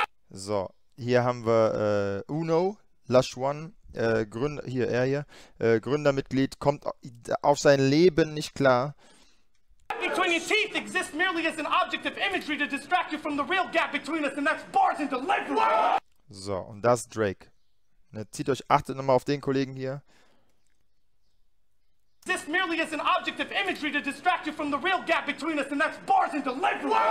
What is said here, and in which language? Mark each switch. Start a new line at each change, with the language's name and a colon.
German: So, hier haben wir Uno, Lush One, Gründermitglied, kommt auf sein Leben nicht klar.
English: Between your teeth exists merely as an object of imagery to distract you from the real gap between us, and that's bars and delivery.
German: So, und das ist Drake. Ne, zieht euch, achtet nochmal auf den Kollegen hier.
English: This merely is an object of imagery to distract you from the real gap between us, and that's bars and delivery.